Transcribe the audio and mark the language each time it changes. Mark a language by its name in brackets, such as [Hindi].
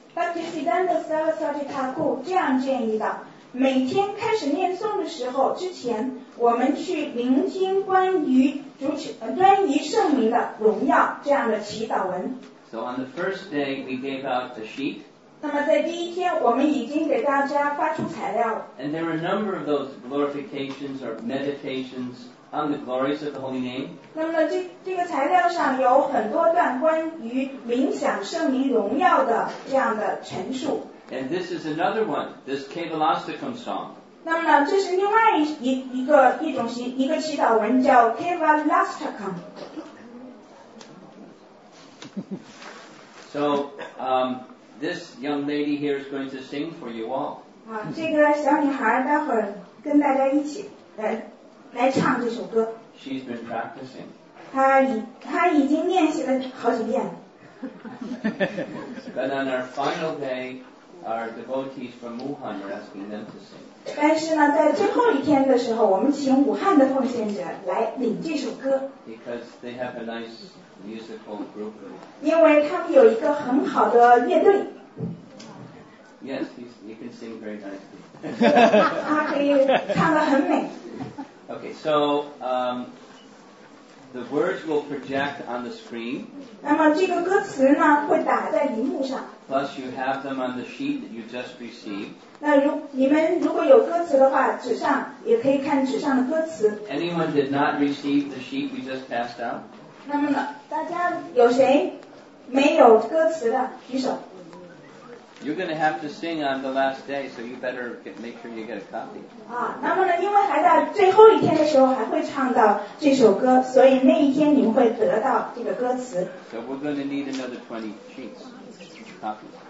[Chinese] Bhaktisiddhanta Saraswati Thakur 这样建议的，每天开始念诵的时候之前，我们去聆听关于主关于圣名的荣耀这样的祈祷文。 [English] So on the first day we gave out the sheet. [Chinese] 那么在第一天，我们已经给大家发出材料。 [English] And there are a number of those glorifications or meditations. On the glories of the holy name. [Chinese] 那么这个材料上有很多段关于冥想圣名荣耀的这样的陈述。 [English] And this is another one, this Kevalasthakam song. [Chinese] 那么这是另外一个祈祷文叫 Kevalasthakam. [English] So, this young lady here is going to sing for you all. [Chinese] 啊，这个小女孩待会儿跟大家一起来唱这首歌。 [English] She's been practicing. [Chinese] 她已经练习了好几遍了。 [English] But on our final day, our devotees from Wuhan are asking them to sing. [Chinese] 但是呢，在最后一天的时候，我们请武汉的奉献者来领这首歌。 [English] Because they have a nice musical group. [Chinese] 因为他们有一个很好的乐队。 [English] Yes, he can sing very nicely. [Chinese] 他可以唱得很美。 [English] Okay, so, the words will project on the screen. [Chinese] 那么这个歌词呢会打在荧幕上。 [English] Plus you have them on the sheet that you just received. [Chinese] 那如你们如果有歌词的话，纸上也可以看纸上的歌词。 [English] Anyone did not receive the sheet we just passed out? [Chinese] 那么呢，大家有谁没有歌词的举手。 [English] You're going to have to sing on the last day, so you better make sure you get a copy. [Chinese] 那么呢，因为还在最后一天的时候还会唱到这首歌，所以那一天你们会得到这个歌词。 [English] So we're going to need another 20 sheets, copies.